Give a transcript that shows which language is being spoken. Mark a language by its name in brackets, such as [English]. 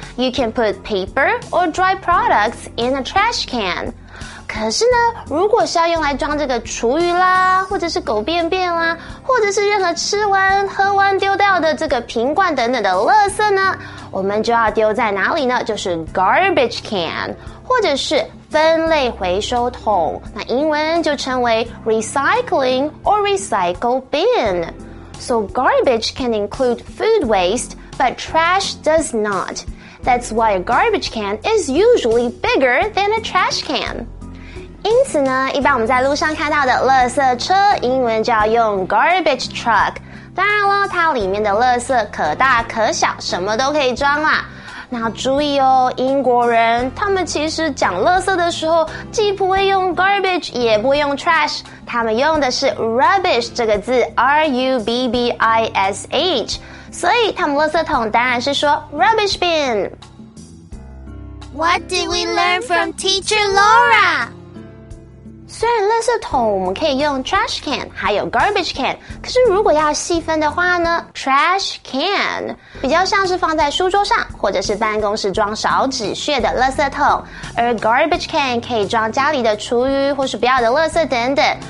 [English] You can put paper or dry products in a trash can。 [Chinese] 可是呢，如果是要用来装这个厨余啦，或者是狗便便啦，或者是任何吃完喝完丢掉的这个瓶罐等等的垃圾呢，我们就要丢在哪里呢？就是 garbage can， 或者是分类回收桶，那英文就称为 [English] recycling or recycle bin。 So garbage can include food waste, but trash does not. That's why a garbage can is usually bigger than a trash can. [Chinese] 因此呢，一般我们在路上看到的垃圾车，英文就要用 garbage truck。当然了，它里面的垃圾可大可小，什么都可以装啦。那注意哦，英国人他们其实讲垃圾的时候既不会用 garbage 也不会用 trash， 他们用的是 rubbish 这个字， R-U-B-B-I-S-H， 所以他们垃圾桶当然是说 rubbish bin。 [English] What did we learn from teacher Laura? [Chinese] 虽然垃圾桶我们可以用 trash can 还有 garbage can， 可是如果要细分的话呢， trash can 比较像是放在书桌上或者是办公室装少纸屑的垃圾桶，而 garbage can 可以装家里的厨余或是不要的垃圾等等。